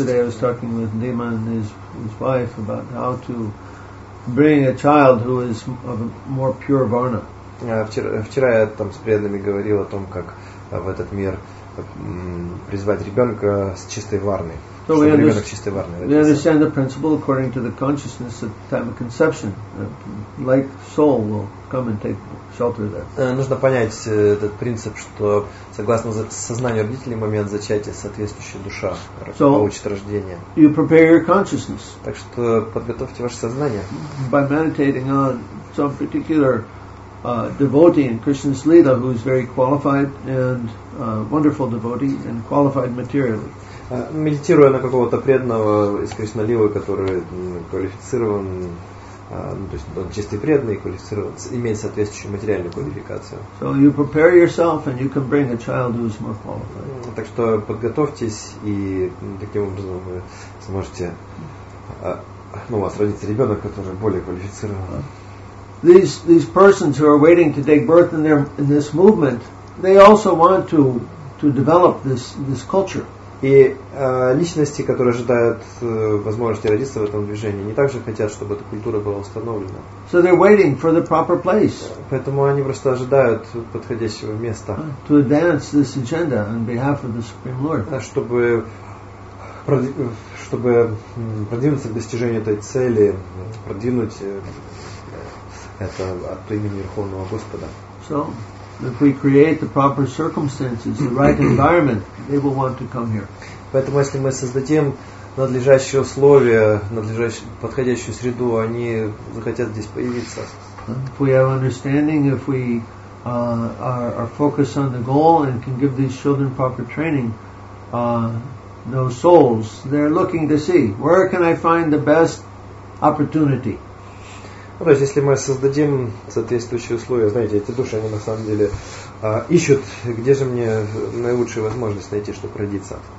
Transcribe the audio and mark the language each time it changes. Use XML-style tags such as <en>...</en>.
<en>Yesterday I was talking with Dima and his wife about how to bring a child who is of a more pure varna.</en> <ru>Вчера я там с преданными говорил о том, как в этот мир призвать ребенка с чистой варной.</ru> <en>So we understand, the principle according to the consciousness at the time of conception. Like soul will come and take shelter there.</en> <ru>Нужно понять этот принцип, что согласно сознанию родителей в момент зачатия соответствующая душа получит рождение.</ru> <en>You prepare your consciousness.</en> <ru>Так что подготовьте ваше сознание.</ru> <en>By meditating on some particular devotee in Krishna's Lila, who is very qualified and wonderful devotee and qualified materially.</en> <ru>Медитируя на какого-то преданного из Кришналилы, который квалифицирован, то есть он чистый преданный, квалифицирован, имеет соответствующую материальную квалификацию.</ru> <en>So you prepare yourself and you can bring a child who is more qualified.</en> <ru>Так что подготовьтесь, и таким образом вы сможете, ну, у вас родится ребенок, который более квалифицирован.</ru> <en>These persons who are waiting to take birth in their in this movement, they also want to develop this culture.</en> <ru>И личности, которые ожидают возможности родиться в этом движении, они также хотят, чтобы эта культура была установлена.</ru> <en>So they're waiting for the proper place.</en> <ru>Поэтому они просто ожидают подходящего места.</ru> <en>To advance this agenda on behalf of the Supreme Lord.</en> <ru>Чтобы продвинуться к достижению этой цели, продвинуть это от имени Верховного Господа.</ru> <en>So, if we create the proper circumstances, the right environment, they will want to come here.</en> <ru>Поэтому если мы создадим надлежащие условия, надлежащую подходящую среду, они захотят здесь появиться.</ru> <en>If we have understanding, if we are focused on the goal and can give these children proper training, those souls, they're looking to see where can I find the best opportunity.</en> <ru>Ну, то есть, если мы создадим соответствующие условия, знаете, эти души, они на самом деле ищут, где же мне наилучшая возможность найти, чтобы родиться.</ru>